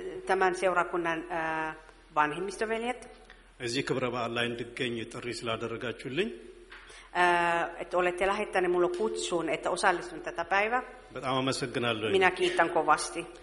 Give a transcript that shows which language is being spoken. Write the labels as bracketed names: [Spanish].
[Finnish] tämän seurakunnan vanhimmistoveljet [Amharic] እዚህ ክብረ በዓል ላይ እንድገኝ ጥሪ ስላደረጋችሁልኝ [Finnish] että olette lähettäneet mulle kutsun, että osallistun tätä päivää. Minä kiitän kovasti.